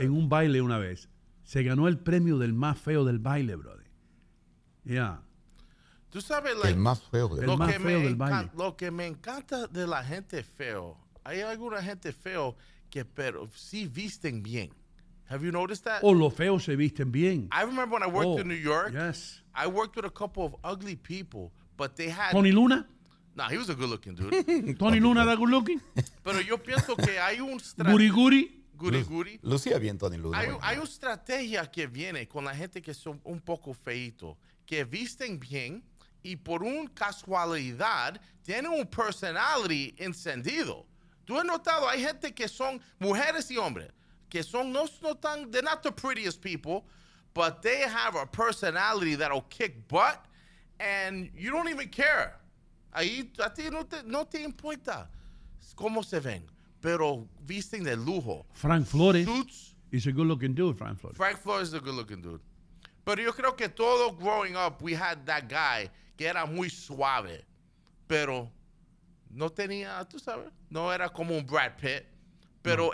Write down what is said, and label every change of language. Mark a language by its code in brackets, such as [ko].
[es] En un baile una vez. Se ganó el premio del más feo del baile, brother. Ya. Yeah. Tú sabes, like, el más feo, el más feo del baile. Lo que me encanta de la gente feo, hay alguna gente feo que, pero sí visten bien. [en] Have you noticed that? [es] Oh, los feos se visten bien. [en] I remember when I worked in New York. Yes. I worked with a couple of ugly people, but they had. Tony Luna? No, nah, he was a good looking dude. [es] Tony Luna era good looking. Pero yo pienso que hay un. Guriguri. Guriguri. Lucía bien, Tony Luna. Hay una estrategia que viene con la gente que son un poco feíto, que visten bien y por un casualidad tienen un personality encendido. [en] Tú has notado, hay gente que son mujeres y hombres, que son no tan, they're not the prettiest people, but they have a personality that'll kick butt and you don't even care. [es] Ahí a ti no te importa cómo se ven, pero visten de lujo. [en] Frank Flores. Suits. He's a good looking dude, Frank Flores. [es] Frank Flores is a good looking dude. Pero yo creo que todo growing up, we had that guy que era muy suave, pero no tenía, tú sabes, no era como un Brad Pitt, pero no.